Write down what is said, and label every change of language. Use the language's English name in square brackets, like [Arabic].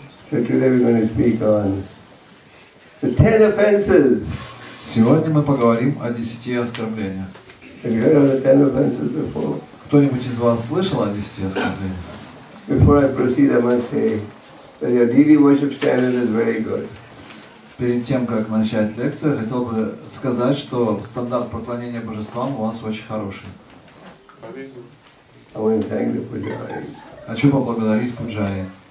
[English] So today we're going to speak on the 10 offenses. [Russian] Сегодня мы поговорим о 10 оскорблениях. [English] Have you heard of the 10 offenses before? [Russian] Кто-нибудь из вас слышал о 10 оскорблениях? [English] Before I proceed, I must say that your daily worship standard is very good. [Russian] Перед тем, как начать лекцию, я хотел бы сказать, что стандарт поклонения божествам у вас очень хороший. [English] I want to thank the Pujari. [Russian] Хочу поблагодарить Пуджари.